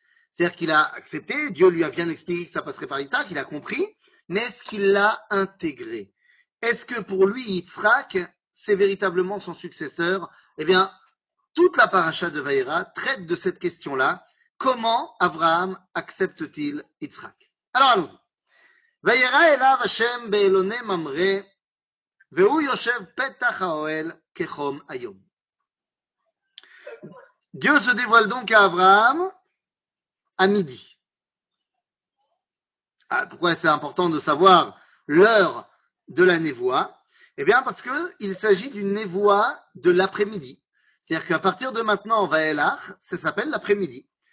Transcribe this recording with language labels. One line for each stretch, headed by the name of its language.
French: C'est-à-dire qu'il a accepté, Dieu lui a bien expliqué que ça passerait par Yitzhak, il a compris, mais est-ce qu'il l'a intégré? Est-ce que pour lui, Yitzhak, c'est véritablement son successeur? Eh bien, toute la paracha de Vayera traite de cette question-là. Comment Abraham accepte-t-il Yitzhak? Alors, allons-y.
Hebrew: וירא אליו השם באלוני ממרא, והוא יושב פתח האוהל כחום היום.
French: Dieu se dévoile donc à Abraham à midi. Ah, pourquoi c'est important de savoir l'heure de la névoie? Eh bien, parce qu'il s'agit d'une névoie de l'après-midi. C'est-à-dire qu'à partir de maintenant, on va Elach, ça s'appelle l'après-midi.